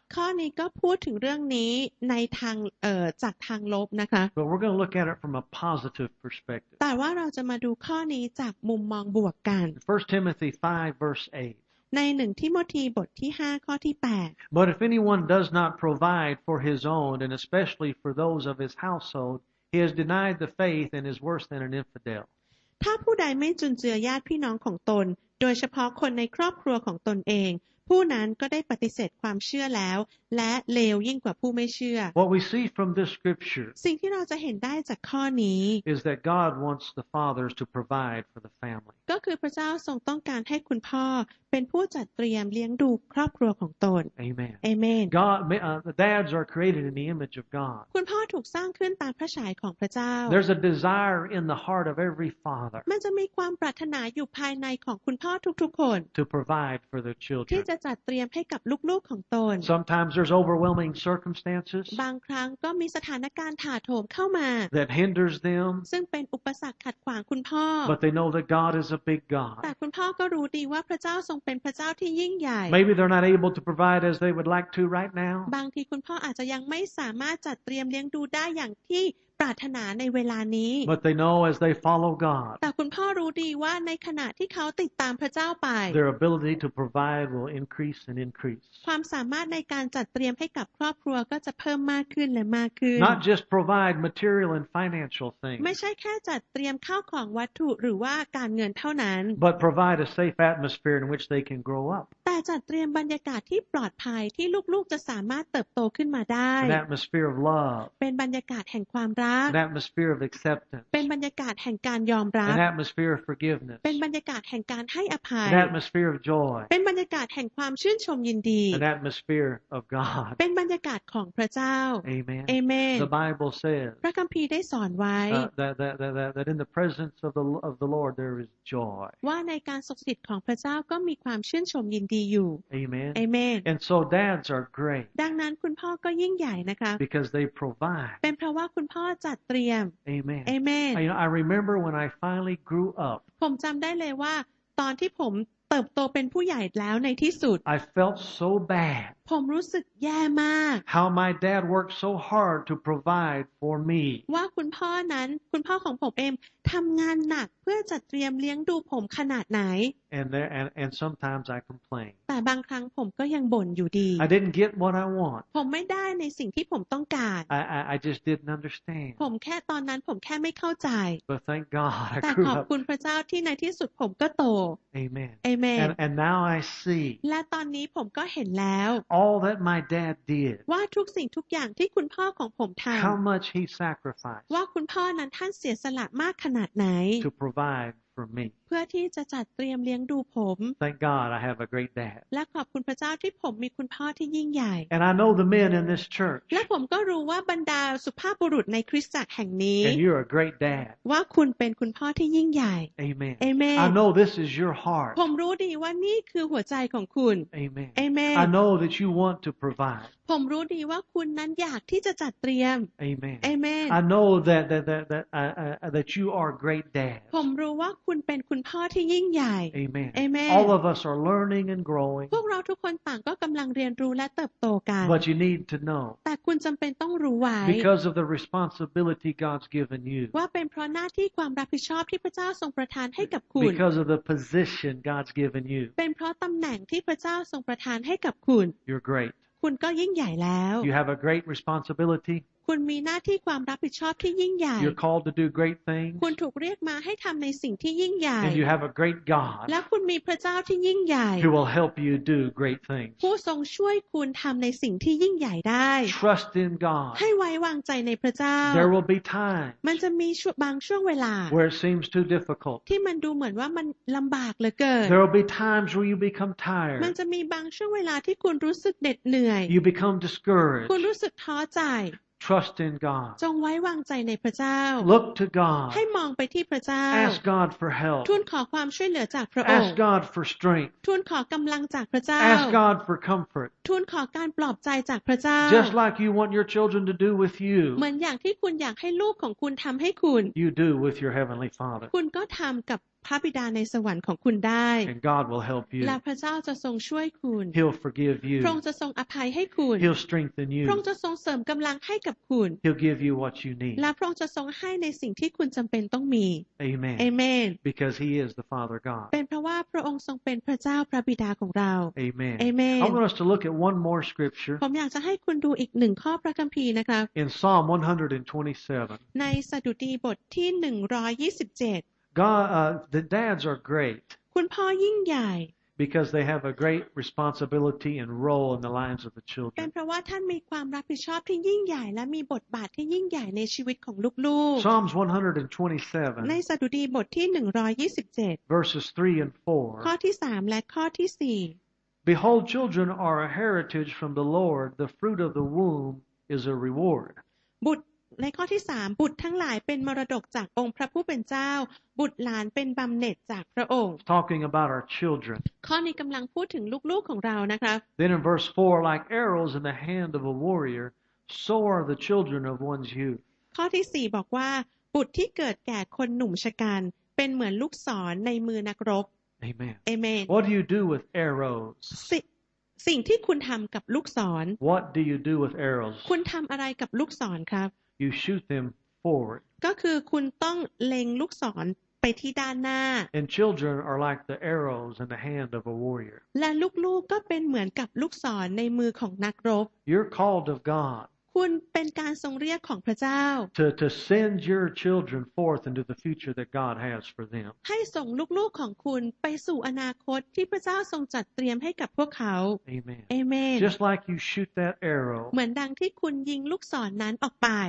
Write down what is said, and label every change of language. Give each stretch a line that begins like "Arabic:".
Thai: ข้อนี้ก็พูดถึงเรื่องนี้ในทางจากทางลบนะคะ
English: But we're going to look at it from a positive perspective.
Thai: แต่ว่าเราจะมาดูข้อนี้จากมุมมองบวกกัน
English: 1 Timothy 5 verse 8.
Thai: ใน1ทิโมธีบทที่5ข้อที่8.
English: But if anyone does not provide for his own and especially for those of his household, he has denied the faith and is worse than an infidel.
Thai: ถ้าผู้ใดไม่จุนเจือญาติพี่น้องของตนโดยเฉพาะคนในครอบครัวของตนเองผู้นั้นก็ได้ปฏิเสธความเชื่อแล้วและเลวยิ่งกว่าผู้ไม่เชื่อ
English: What we see from this scripture
Thai: สิ่งที่เราจะเห็นได้จากข้อนี้
English: is that God wants the fathers to provide for the family
Thai: ก็คือพระเจ้าทรงต้องการให้คุณพ่อเป็นผู้จัดเตรียมเลี้ยงดูครอบครัวของตน
English: Amen Amen God dads are created in the image of God
Thai: คุณพ่อถูกสร้างขึ้นตามพระฉายของพระเจ้า
English: There's a desire in the heart of every father
Thai: มันจะมีความปรารถนาอยู่ภายในของคุณพ่อทุกๆคน
English: to provide for their children
Thai: ที่จัดเตรียมให้กับลูกๆของตน
English: Sometimes there's overwhelming circumstances
Thai: บางครั้งก็มีสถานการณ์ถาโถมเข้ามา
English: that hinders them
Thai: ซึ่งเป็นอุปสรรคขัดขวางคุณพ่อ
English: but they know that God is a big God
Thai: แต่คุณพ่อก็รู้ดีว่าพระเจ้าทรงเป็นพระเจ้าที่ยิ่งใหญ่
English: Maybe they're not able to provide as they would like to right now
Thai: บางทีคุณพ่ออาจจะยังไม่สามารถจัดเตรียมเลี้ยงดูได้อย่างที่ปรารถนาในเวลานี้
English: But they know as they follow God
Thai: แต่คุณพ่อรู้ดีว่าในขณะที่เขาติดตามพระเจ้าไป
English: Their ability to provide will increase and increase
Thai: ความสามารถในการจัดเตรียมให้กับครอบครัวก็จะเพิ่มมากขึ้นและมากขึ้น
English: Not just provide material and financial things
Thai: ไม่ใช่แค่จัดเตรียมข้าวของวัตถุหรือว่าการเงินเท่านั้น
English: But provide a safe atmosphere in which they can grow up
Thai: แต่จัดเตรียมบรรยากาศที่ปลอดภัยที่ลูกๆจะสามารถเติบโตขึ้นมาได้
English: An atmosphere of love
Thai: เป็นบรรยากาศแห่งความรัก
English: An atmosphere of acceptance.
Thai: เป็นบรรยากาศแห่งการยอมรับ
English: An atmosphere of forgiveness.
Thai: เป็นบรรยากาศแห่งการให้อภัย
English: An atmosphere of joy.
Thai: เป็นบรรยากาศแห่งความชื่นชมยินดี
English: An atmosphere of God.
Thai: เป็นบรรยากาศของพระเจ้า
English: Amen. Amen. The Bible says.
Thai: พระคัมภีร์ได้สอนไว้
English: that in the presence of the Lord there is joy.
Thai: ว่าในการทรงสถิตของพระเจ้าก็มีความชื่นชมยินดีอยู่
English: Amen. Amen. And so dads are great.
Thai: ดังนั้นคุณพ่อก็ยิ่งใหญ่นะคะ
English: Because they provide.
Thai: เป็นเพราะว่าคุณพ่อจัดเตรียม
English: Amen. Amen. I remember when I finally grew up.
Thai: ผมจำได้เลยว่าตอนที่ผมเติบโตเป็นผู้ใหญ่แล้วในที่สุด
English: I felt so bad.
Thai: ผมรู้สึกแย่มาก
English: How my dad worked so hard to provide for me.
Thai: ว่าคุณพ่อนั้นคุณพ่อของผมเองทำงานหนักเพื่อจัดเตรียมเลี้ยงดูผมขนาดไหน
English: And sometimes I complain.
Thai: แต่บางครั้งผมก็ยังบ่นอยู่ดี
English: I didn't get what I want.
Thai: ผมไม่ได้ในสิ่งที่ผมต้องการ
English: I just didn't understand.
Thai: ผมแค่ตอนนั้นผมแค่ไม่เข้าใจ
English: But thank God I grew up.
Thai: แต่ขอบคุณพระเจ้าที่ในที่สุดผมก็โต
English: Amen. Amen. And now I see.
Thai: และตอนนี้ผมก็เห็นแล้ว
English: All that my dad did.
Thai: ว่าทุกสิ่งทุกอย่างที่คุณพ่อของผมทำ
English: How much he sacrificed.
Thai: ว่าคุณพ่อนั้นท่านเสียสละมากขนาดไหน
English: To provide. For me.
Thai: เพื่อที่จะจัดเตรียมเลี้ยงดูผม
English: Thank God I have a great dad.
Thai: และขอบคุณพระเจ้าที่ผมมีคุณพ่อที่ยิ่งใหญ่
English: And I know the men in this church.
Thai: และผมก็รู้ว่าบรรดาสุภาพบุรุษในคริสตจักรแห่งนี้
English: And you're a great dad.
Thai: ว่าคุณเป็นคุณพ่อที่ยิ่งใหญ่
English: Amen. Amen. I know this is your heart.
Thai: ผมรู้ดีว่านี่คือหัวใจของคุณ
English: Amen. Amen. I know that you want to provide.
Thai: ผมรู้ดีว่าคุณนั้นอยากที่จะจัดเตรียม
English: Amen. Amen. I know that you are great dads.
Thai: ผมรู้ว่าคุณเป็นคุณพ่อที่ยิ่งใหญ่
English: Amen. Amen. All of us are learning and growing.
Thai: พวกเราทุกคนต่างก็กำลังเรียนรู้และเติบโตกัน
English: But you need to know.
Thai: แต่คุณจำเป็นต้องรู้ไว้
English: Because of the responsibility God's given you.
Thai: ว่าเป็นเพราะหน้าที่ความรับผิดชอบที่พระเจ้าทรงประทานให้กับคุณ
English: Because of the position God's given you.
Thai: เป็นเพราะตำแหน่งที่พระเจ้าทรงประทานให้กับคุณ
English: You're great.
Thai: คุณก็ยิ่งใหญ่แล้ว
English: You have a great responsibility.
Thai: คุณมีหน้าที่ความรับผิดชอบที่ยิ่งใหญ่
English: You're called to do great things.
Thai: คุณถูกเรียกมาให้ทำในสิ่งที่ยิ่งใหญ่
English: And you have a great God.
Thai: และคุณมีพระเจ้าที่ยิ่งใหญ่
English: Who will help you do great things.
Thai: ผู้ทรงช่วยคุณทำในสิ่งที่ยิ่งใหญ่ได้
English: Trust in God.
Thai: ให้ไว้วางใจในพระเจ้า
English: There will be times.
Thai: มันจะมีบางช่วงเวลา
English: Where it seems too difficult.
Thai: ที่มันดูเหมือนว่ามันลำบากเหลือเกิน
English: There will be times where you become tired.
Thai: มันจะมีบางช่วงเวลาที่คุณรู้สึกเหน็ดเหนื่อย
English: You become discouraged.
Thai: คุณรู้สึกท้อใจ
English: Trust in God.
Thai: จงไว้วางใจในพระเจ้า
English: Look to God.
Thai: ให้มองไปที่พระเจ้า
English: Ask God for help.
Thai: ทูลขอความช่วยเหลือจากพระองค์
English: Ask God for strength.
Thai: ทูลขอกำลังจากพระเจ้า
English: Ask God for comfort.
Thai: ทูลขอการปลอบใจจากพระเจ้า
English: Just like you want your children to do with you.
Thai: เหมือนอย่างที่คุณอยากให้ลูกของคุณทำให้คุณ
English: You do with your heavenly Father.
Thai: คุณก็ทำกับพระบิดาในสวรรค์ของคุณได้
English: And God will help you.
Thai: และพระเจ้าจะทรงช่วยคุณ
English: He'll forgive you.
Thai: พระองค์จะทรงอภัยให้คุณ
English: He'll strengthen you.
Thai: พระองค์จะทรงเสริมกำลังให้กับคุณ
English: He'll give you what you need.
Thai: และพระองค์จะทรงให้ในสิ่งที่คุณจำเป็นต้องมี
English: Amen. Amen. Because He is the Father God.
Thai: เป็นเพราะว่าพระองค์ทรงเป็นพระเจ้าพระบิดาของเรา
English: Amen. Amen. I want us to look at one more scripture.
Thai: ผมอยากจะให้คุณดูอีกหนึ่งข้อพระคัมภีร์นะครับ
English: In Psalm 127.
Thai: ในสดุดีบทที่127
English: God, the dads are great.
Thai: คุณพ่อยิ่งใหญ่
English: because they have a great responsibility and role in the lives of the children.
Thai: เป็นเพราะว่าท่านมีความรับผิดชอบที่ยิ่งใหญ่และมีบทบาทที่ยิ่งใหญ่ในชีวิตของลูกๆ
English: Psalms 127.
Thai: ในสดุดีบทที่127
English: verses 3 and 4.
Thai: ข้อที่3และข้อที่4
English: Behold, children are a heritage from the Lord. The fruit of the womb is a reward.
Thai: บุตรในข้อที่3บุตรทั้งหลายเป็นมรดกจากองค์พระผู้เป็นเจ้าบุตรหลานเป็นบำเหน็จจากพระองค์
English: Talking about our children
Thai: ข้อนี้กำลังพูดถึงลูกๆของเรานะครับ
English: Then in verse 4 like arrows in the hand of a warrior so are the children of one's youth
Thai: ข้อที่4บอกว่าบุตรที่เกิดแก่คนหนุ่มชะกันเป็นเหมือนลูกศรในมือนักรบ
English: Amen Amen What do you do with arrows
Thai: สิ่งที่คุณทำกับลูกศร
English: What do you do with arrows
Thai: คุณทำอะไรกับลูกศรครับ
English: You shoot them forward.
Thai: ก็คือคุณต้องเล็งลูกศรไปที่ด้านหน้า
English: And children are like the arrows in the hand of a warrior.
Thai: และลูกๆก็เป็นเหมือนกับลูกศรในมือของนักรบ
English: You're called of God. ค
Thai: คุณเป็นการทรงเรียกของพระเจ้า
English: to send your children forth into the future that God has for them
Thai: ให้ส่งลูกๆของคุณไปสู่อนาคตที่พระเจ้าทรงจัดเตรียมให้กับพวกเขา
English: Amen Just like you shoot that arrow
Thai: เหมือนดังที่คุณยิงลูกศรนั้นออกไป